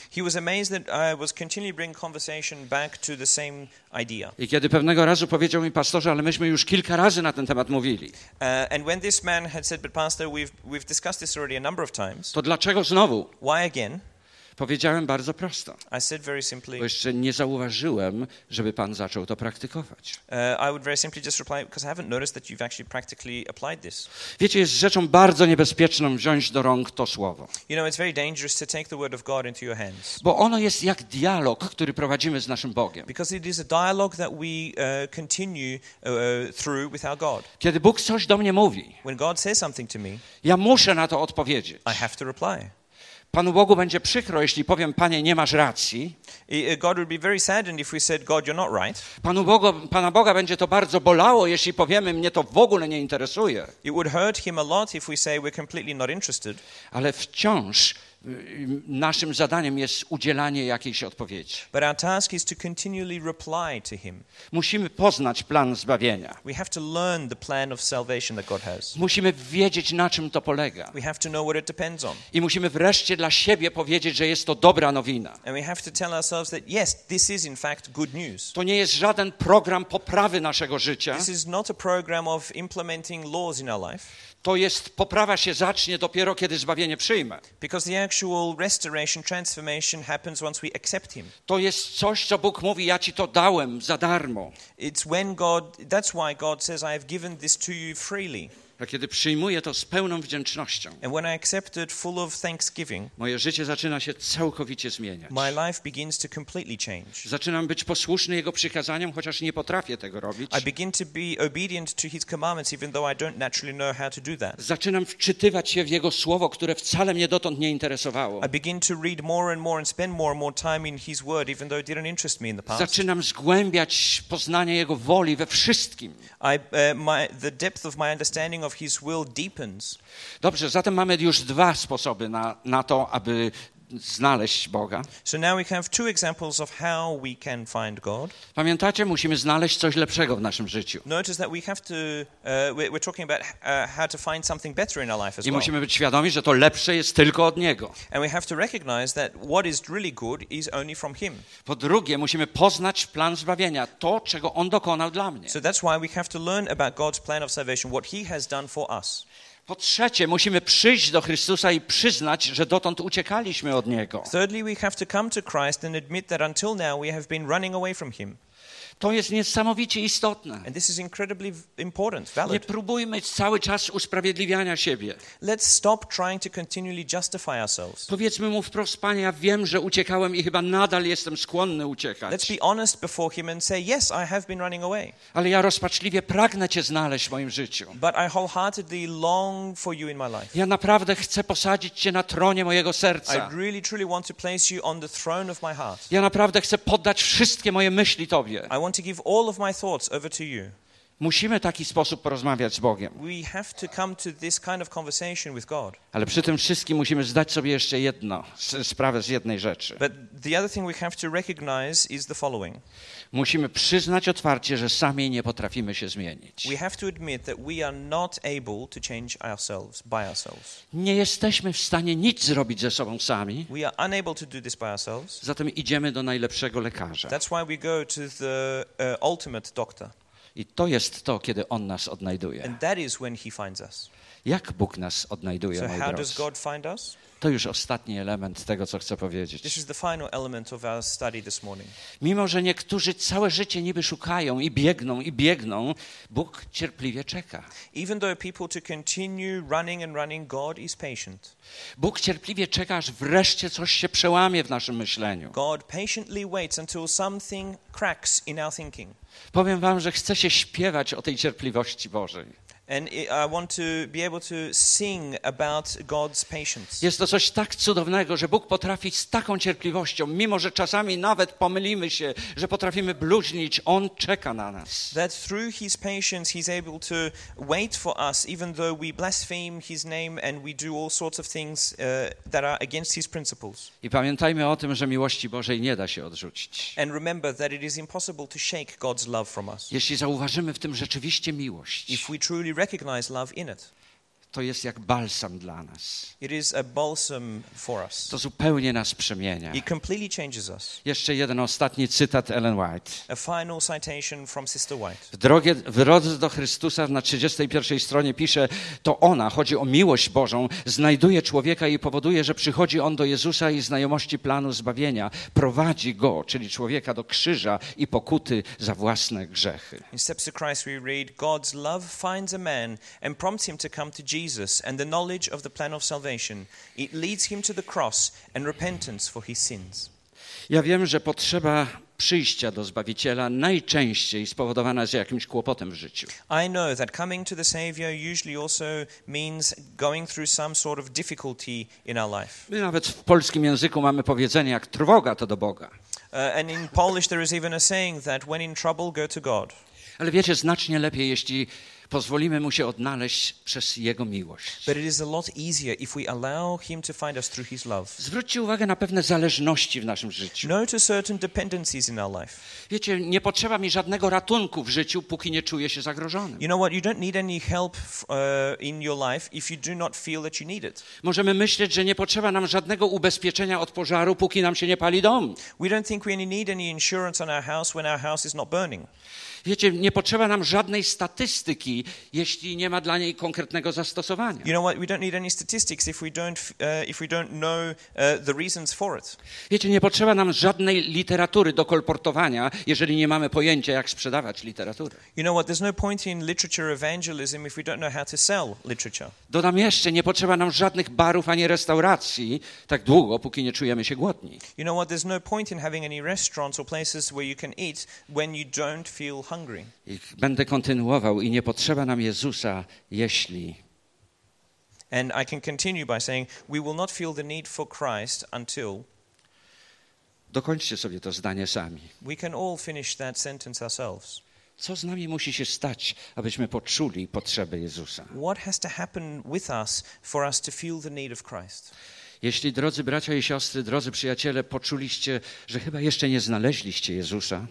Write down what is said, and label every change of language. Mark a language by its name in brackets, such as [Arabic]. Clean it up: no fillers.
[English] He was amazed that I was continually bringing conversation back to the same idea. [Polish] I kiedy pewnego razu powiedział mi pastorze, ale myśmy już kilka razy na ten temat mówili. [English] And when this man had said, but pastor, we've discussed this already a number of times. [Polish] To dlaczego znowu? [English] Why again? [Polish] Powiedziałem bardzo prosto. [English] I said very simply, [Polish] bo jeszcze nie zauważyłem, żeby pan zaczął to praktykować. [English] I would very simply just reply, because I haven't noticed that you've actually practically applied this. [Polish] Wiecie, jest rzeczą bardzo niebezpieczną wziąć do rąk to słowo. [English] You know, it's very dangerous to take the word of God into your hands. [Polish] Bo ono jest jak dialog, który prowadzimy z naszym Bogiem. [English] Because it is a dialogue that we continue through with our God. [Polish] Kiedy Bóg coś do mnie mówi, [English] when God says something to me, [Polish] ja muszę na to odpowiedzieć. [English] I have to reply. [Polish] Panu Bogu będzie przykro, jeśli powiem, Panie, nie masz racji. [English] God would be very saddened if we said, God, you're not right. [Polish] Pana Boga będzie to bardzo bolało, jeśli powiemy, mnie to w ogóle nie interesuje. [English] It would hurt him a lot if we say we're completely not interested. [Polish] Ale wciąż naszym zadaniem jest udzielanie jakiejś odpowiedzi. [English] But our task is to continually reply to him. [Polish] Musimy poznać plan zbawienia. [English] We have to learn the plan of salvation that God has. [Polish] Musimy wiedzieć, na czym to polega. [English] We have to know what it depends on. [Polish] I musimy wreszcie dla siebie powiedzieć, że jest to dobra nowina. [English] And we have to tell ourselves that yes, this is in fact good news. [Polish] To nie jest żaden program poprawy naszego życia. [English] This is not a program of implementing laws in our life. [Polish] To jest, poprawa się zacznie dopiero, kiedy zbawienie przyjmę. [English] Because the actual restoration, transformation happens once we accept him. [Polish] To jest coś, co Bóg mówi, ja ci to dałem za darmo. [English] It's when God, that's why God says, I have given this to you freely. [Polish] A kiedy przyjmuję to z pełną wdzięcznością, [English] and when I accept it full of thanksgiving, [Polish] moje życie zaczyna się całkowicie zmieniać. [English] My life begins to completely change. [Polish] Zaczynam być posłuszny Jego przykazaniom, chociaż nie potrafię tego robić. [English] I begin to be obedient to His commandments, even though I don't naturally know how to do that. [Polish] Zaczynam wczytywać się w Jego słowo, które wcale mnie dotąd nie interesowało. [English] I begin to read more and more and spend more and more time in His word, even though it didn't interest me in the past. [Polish] Zaczynam zgłębiać poznanie Jego woli we wszystkim. [English] The depth of my understanding of his will deepens. [Polish] Dobrze, zatem mamy już dwa sposoby na to, aby znaleźć Boga. [English] So now we have two examples of how we can find God. [Polish] Pamiętacie, musimy znaleźć coś lepszego w naszym życiu. [English] Notice that we have to we're talking about how to find something better in our life as well. [Polish] I musimy być świadomi, że to lepsze jest tylko od Niego. [English] And we have to recognize that what is really good is only from him. [Polish] Po drugie, musimy poznać plan zbawienia, to czego on dokonał dla mnie. [English] So that's why we have to learn about God's plan of salvation, what he has done for us. [Polish] Po trzecie, musimy przyjść do Chrystusa i przyznać, że dotąd uciekaliśmy od Niego. [English] Thirdly, we have to come to Christ and admit that until now we have been running away from him. [Polish] To jest niesamowicie istotne. [English] And this is incredibly important, valid. [Polish] Nie próbujmy cały czas usprawiedliwiania siebie. [English] Let's stop trying to continually justify ourselves. [Polish] Powiedzmy mu wprost, Panie, ja wiem, że uciekałem i chyba nadal jestem skłonny uciekać. [English] Let's be honest before him and say, yes, I have been running away. [Polish] Ale ja rozpaczliwie pragnę Cię znaleźć w moim życiu. [English] But I wholeheartedly long for you in my life. [Polish] Ja naprawdę chcę posadzić Cię na tronie mojego serca. [English] I really truly want to place you on the throne of my heart. [Polish] Ja naprawdę chcę poddać wszystkie moje myśli Tobie. [English] I want to give all of my thoughts over to you. [Polish] Musimy w taki sposób porozmawiać z Bogiem. [English] We have to come to this kind of conversation with God. [Polish] Ale przy tym wszystkim musimy zdać sobie jeszcze jedno, sprawę z jednej rzeczy. [English] But the other thing we have to recognize is the following. [Polish] Musimy przyznać otwarcie, że sami nie potrafimy się zmienić. [English] We have to admit that we are not able to change ourselves by ourselves. [Polish] Nie jesteśmy w stanie nic zrobić ze sobą sami. [English] We are unable to do this by ourselves. [Polish] Zatem idziemy do najlepszego lekarza. [English] That's why we go to the ultimate doctor. [Polish] I to jest to, kiedy On nas odnajduje. [English] And that is when he finds us. [Polish] Jak Bóg nas odnajduje, [English] so [Polish] moi [English] how [Polish] drodzy? [English] Does God find us? [Polish] To już ostatni element tego, co chcę powiedzieć. [English] This is the final element of our study this morning. [Polish] Mimo, że niektórzy całe życie niby szukają i biegną, Bóg cierpliwie czeka. [English] Even though people to continue running and running, God is patient. [Polish] Bóg cierpliwie czeka, aż wreszcie coś się przełamie w naszym myśleniu. [English] God patiently waits until something cracks in our thinking. [Polish] Powiem wam, że chcę się śpiewać o tej cierpliwości Bożej. [English] And I want to be able to sing about God's patience. [Polish] Jest to coś tak cudownego, że Bóg potrafi z taką cierpliwością, mimo że czasami nawet pomylimy się, że potrafimy bluźnić, On czeka na nas. [English] That through his patience he's able to wait for us, even though we blaspheme his name and we do all sorts of things that are against his principles. [Polish] I pamiętajmy o tym, że miłości Bożej nie da się odrzucić. [English] And remember that it is impossible to shake God's love from us. [Polish] Jeśli zauważymy w tym rzeczywiście miłość, [English] if we truly recognize love in it. [Polish] To jest jak balsam dla nas. [English] It is a balsam for us. [Polish] To zupełnie nas przemienia. [English] It completely changes us. [Polish] Jeszcze jeden ostatni cytat Ellen White. [English] A final citation from Sister White. [Polish] W drodze do Chrystusa na 31 stronie pisze, to ona, chodzi o miłość Bożą, znajduje człowieka i powoduje, że przychodzi on do Jezusa i znajomości planu zbawienia, prowadzi go, czyli człowieka, do krzyża i pokuty za własne grzechy. [English] In Steps to Christ we read, God's love finds a man and prompts him to come to Jesus and the knowledge of the plan of salvation. It leads him to the cross and repentance for his sins. [Polish] Ja wiem, że potrzeba przyjścia do Zbawiciela najczęściej spowodowana jest jakimś kłopotem w życiu. [English] I know that coming to the Savior usually also means going through some sort of difficulty in our life. [Polish] My nawet w polskim języku mamy powiedzenie, jak trwoga to do Boga. [English] And in Polish there is even a saying that when in trouble go to God. [Polish] Ale wiecie, znacznie lepiej, jeśli pozwolimy Mu się odnaleźć przez Jego miłość. [English] But it is a lot easier if we allow Him to find us through His love. [Polish] Zwróćcie uwagę na pewne zależności w naszym życiu. [English] Notice certain dependencies in our life. [Polish] Wiecie, nie potrzeba mi żadnego ratunku w życiu, póki nie czuję się zagrożonym. [English] You know what? You don't need any help in your life if you do not feel that you need it. [Polish] Możemy myśleć, że nie potrzeba nam żadnego ubezpieczenia od pożaru, póki nam się nie pali dom. [English] We don't think we need any insurance on our house when our house is not burning. [Polish] Wiecie, nie potrzeba nam żadnej statystyki, jeśli nie ma dla niej konkretnego zastosowania. [English] You know what? We don't need any statistics if we don't know the reasons for it. [Polish] Wiecie, nie potrzeba nam żadnej literatury do kolportowania, jeżeli nie mamy pojęcia, jak sprzedawać literaturę. [English] You know what? There's no point in literature evangelism if we don't know how to sell literature. [Polish] Dodam jeszcze, nie potrzeba nam żadnych barów ani restauracji tak długo, póki nie czujemy się głodni. [English] You know what? There's no point in having any restaurants or places where you can eat when you don't feel hungry. [Polish] Będę kontynuował i nie potrzeba nam Jezusa, jeśli. [English] And I can continue by saying we will not feel the need for Christ until. [Polish] Dokończcie sobie to zdanie sami. [English] We can all finish that sentence ourselves. [Polish] Co z nami musi się stać, abyśmy poczuli potrzebę Jezusa? [English] What has to happen with us for us to feel the need of Christ? [Polish] Jeśli, drodzy bracia i siostry, drodzy przyjaciele, poczuliście, że chyba jeszcze nie znaleźliście Jezusa,